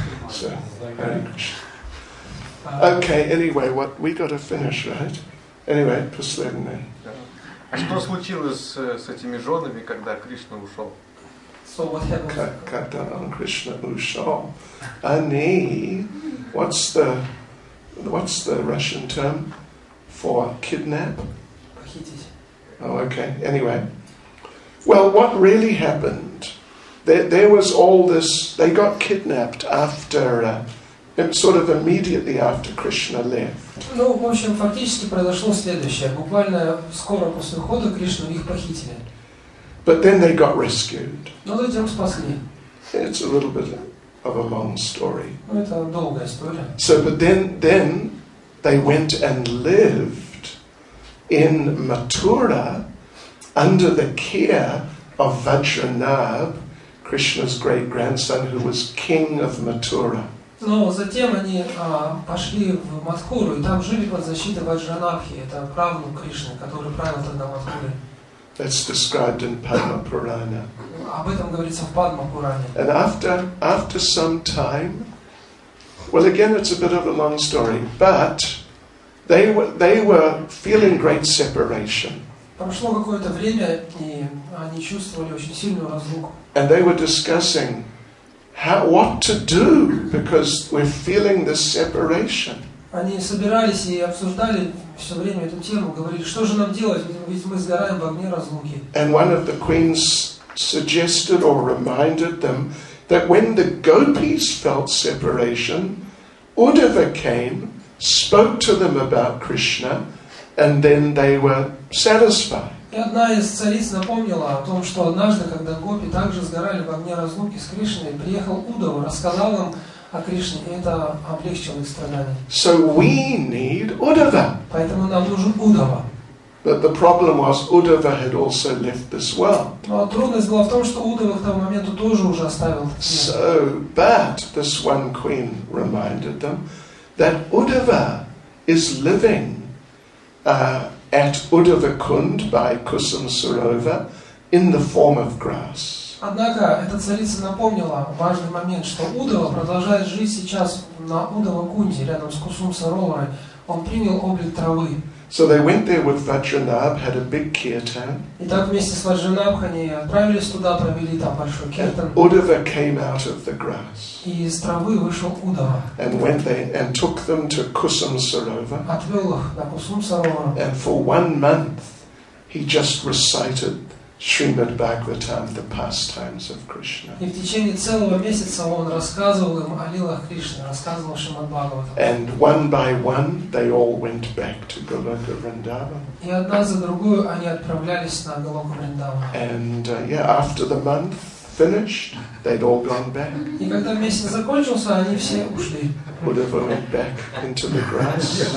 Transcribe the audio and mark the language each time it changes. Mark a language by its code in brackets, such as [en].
[en] So, okay, anyway, what we got to finish, right? Anyway, [ru] последнее. А что случилось с этими женами, когда Кришна ушел? [en] So what happens? Katanam Krishna Usham. Ani. What's the Russian term for kidnap? Oh, okay. Anyway. Well, what really happened? There was all this, they got kidnapped after, sort of immediately after Krishna left. [ru] Ну, в общем, фактически произошло следующее. Буквально скоро после ухода Кришны их похитили. [en] But then they got rescued. [ru] Но затем спасли. [en] It's a little bit of a long story. [ru] Ну, это долгая история. [en] So, but then they went and lived in Mathura under the care of Vajranab, Krishna's great grandson, who was king of Mathura. [ru] Но затем они пошли в Матхуру, и там жили под защитой Ваджранабхи, это правнук Кришны, который правил тогда Матхуры. [en] That's described in Padma Purana. [ru] Об этом говорится в Падма Пуране. [en] And after some time, well, again, it's a bit of a long story, but they were feeling great separation. [ru] Прошло какое-то время, и они чувствовали очень сильную разлуку. [en] And they were discussing what to do, because we're feeling this separation. [ru] Они собирались и обсуждали все время эту тему, говорили, что же нам делать, ведь мы сгораем в огне разлуки. [en] And one of the queens suggested or reminded them that when the gopis felt separation, Uddhava came, spoke to them about Krishna, and then they were satisfied. [ru] И одна из цариц напомнила о том, что однажды, когда гопи также сгорали в огне разлуки с Кришной, приехал Удава, рассказал им о Кришне, и это облегчило их страдания. [en] So we need Udava. [ru] Поэтому нам нужен Удава. [en] But the problem was, Udava had also left this world. [ru] Но трудность была в том, что Удава к тому моменту тоже уже оставил. [en] So, but this one queen reminded them that Udava is living at Udavakund by Kusum Sarova in the form of grass. [ru] Однако эта царица напомнила важный момент, что Удава продолжает жить сейчас на Удавакунде рядом с Кусум Саровой. Он принял облик травы. [en] So they went there with Vajranab, had a big kirtan. [ru] И так вместе с Ваджранабхой они отправились туда, провели там большой киртан. [en] Удава came out of the grass. [ru] И из травы вышел Удава. [en] And went there and took them to Kusum Sarova. [ru] Отвел их на Кусум Сарова. [en] And for 1 month, he just recited Srimad Bhagavatam, the pastimes of Krishna. [ru] И в течение целого месяца он рассказывал им о лилах Кришны, рассказывал Шримад Бхагаватам. [en] And one by one, they all went back to Goloka Vrindavan. [ru] И одна за другую они отправлялись на Голоку Вриндаван. [en] And after the month finished, they'd all gone back. [ru] И когда месяц закончился, они все ушли. [en] Удава went back into the grass.